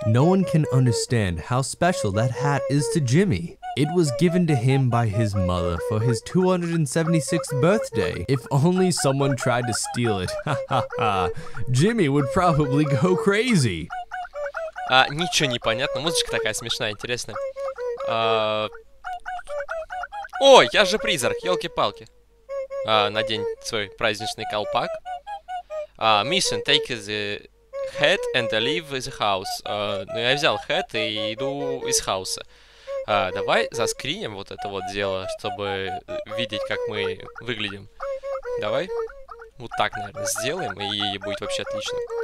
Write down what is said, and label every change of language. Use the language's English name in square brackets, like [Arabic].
[English] No one can understand how special that hat is to Jimmy. It was given to him by his mother for his 276th birthday. If only someone tried to steal it, Jimmy would probably go crazy. [Russian] Ничего не понятно. Музычка такая смешная, интересная. Ой, я же призрак, ёлки-палки. Надень свой праздничный колпак. [English] Mission, take the hat and leave the house. [Russian] Ну, я взял hat и иду из хауса. Давай заскриним вот это вот дело, чтобы видеть, как мы выглядим. Давай вот так, наверное, сделаем, и будет вообще отлично.